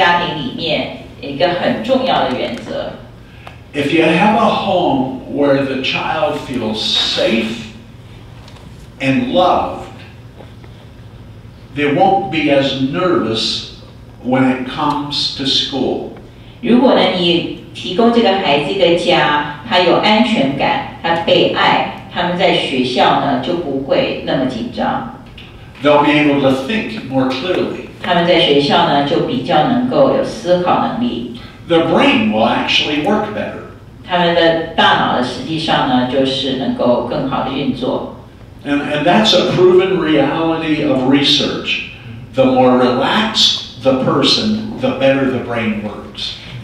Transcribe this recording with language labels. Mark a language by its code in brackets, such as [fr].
[zh] 这个就是同样在健康家庭里面一个很重要的原则。 [en] If you have a home where the child feels safe and loved, they won't be as nervous when it comes to school. [zh] 如果呢，你提供这个孩子一个家，他有安全感，他被爱。他们在学校呢就不会那么紧张。 [en] They'll be able to think more clearly. [zh] 他们在学校呢就比较能够有思考能力。 [en] Their brain will actually work better. [zh] 他们的大脑实际上呢就是能够更好的运作。 [en] And that's a proven reality of research. The more relaxed the person, the better the brain works.